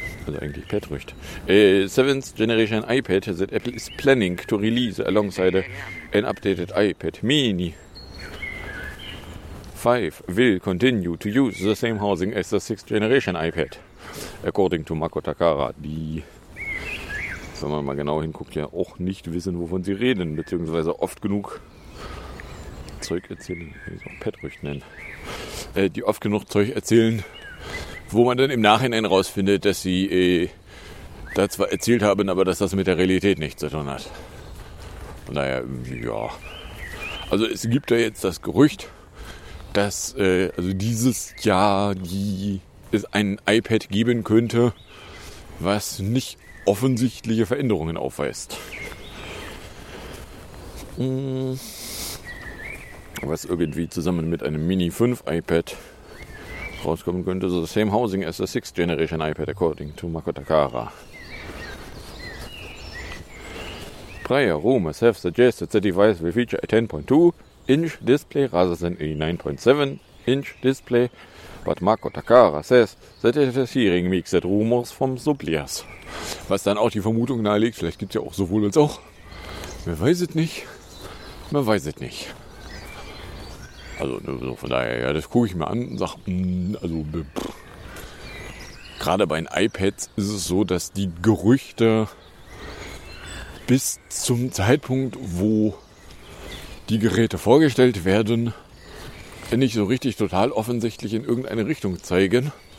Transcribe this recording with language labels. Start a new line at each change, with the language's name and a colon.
German: Also eigentlich Petrucht.
English: Seventh Generation iPad that Apple is planning to release alongside an updated iPad Mini 5 will continue to use the same housing as the 6th generation iPad. According to Mako Takara,
German: die, wenn man mal genau hinguckt, ja auch nicht wissen, wovon sie reden, beziehungsweise oft genug Zeug erzählen, wie es auch Petrucht nennen, die oft genug Zeug erzählen, wo man dann im Nachhinein rausfindet, dass sie da zwar erzählt haben, aber dass das mit der Realität nichts zu tun hat. Naja, ja. Also es gibt da jetzt das Gerücht, dass also dieses Jahr es ein iPad geben könnte, was nicht offensichtliche Veränderungen aufweist. Was irgendwie zusammen mit einem Mini 5 iPad rauskommen könnte.
English: So the same housing as the 6th generation iPad according to Mako Takara. Prior rumors have suggested the device will feature a 10.2-inch display rather than a 9.7-inch display, but Mako Takara says that it is hearing mixed rumors from suppliers.
German: Was dann auch die Vermutung nahelegt, vielleicht gibt es ja auch sowohl als auch. Man weiß es nicht. Also so von daher, ja, das gucke ich mir an und sage, gerade bei den iPads ist es so, dass die Gerüchte bis zum Zeitpunkt, wo die Geräte vorgestellt werden, nicht so richtig total offensichtlich in irgendeine Richtung zeigen.